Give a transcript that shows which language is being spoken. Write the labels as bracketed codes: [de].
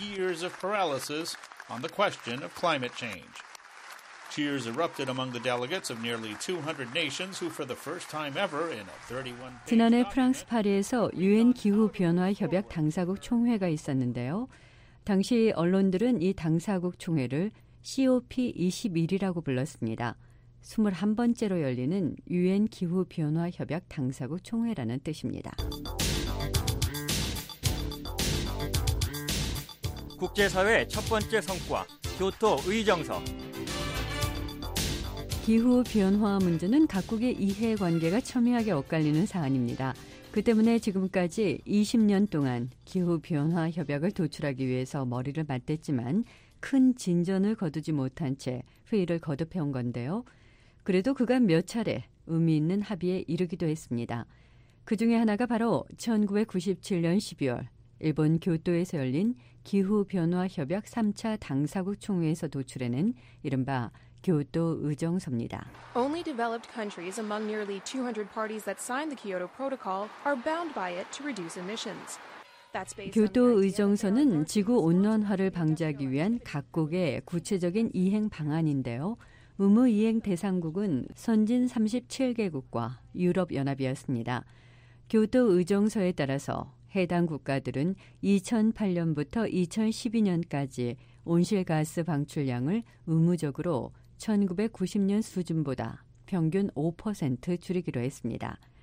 [en] Years of paralysis on the question of climate change. Cheers erupted among the delegates of nearly 200 nations who for the first time ever in a 31 [ko] 지난해 프랑스 파리에서 유엔 기후 변화 협약 당사국 총회가 있었는데요. 당시 언론들은 이 당사국 총회를 COP21이라고 불렀습니다. 21번째로 열리는 유엔 기후 변화 협약 당사국 총회라는 뜻입니다. 국제 사회 첫 번째 성과 교토 의정서. 기후변화 문제는 각국의 이해관계가 첨예하게 엇갈리는 사안입니다. 그 때문에 지금까지 20년 동안 기후변화 협약을 도출하기 위해서 머리를 맞댔지만 큰 진전을 거두지 못한 채 회의를 거듭해온 건데요. 그래도 그간 몇 차례 의미 있는 합의에 이르기도 했습니다. 그 중에 하나가 바로 1997년 12월 일본 교토에서 열린 기후변화 협약 3차 당사국 총회에서 도출해낸 이른바 교토 의정서입니다. [en] Only developed countries among nearly 200 parties that signed the Kyoto Protocol are bound by it to reduce emissions. [ko] 교토 의정서는 지구 온난화를 방지하기 위한 각국의 구체적인 이행 방안인데요. 의무 이행 대상국은 선진 37개국과 유럽 연합이었습니다. 교토 의정서에 따라서 해당 국가들은 2008년부터 2012년까지 온실가스 방출량을 의무적으로 1990년 수준보다 평균 5% 줄이기로 했습니다.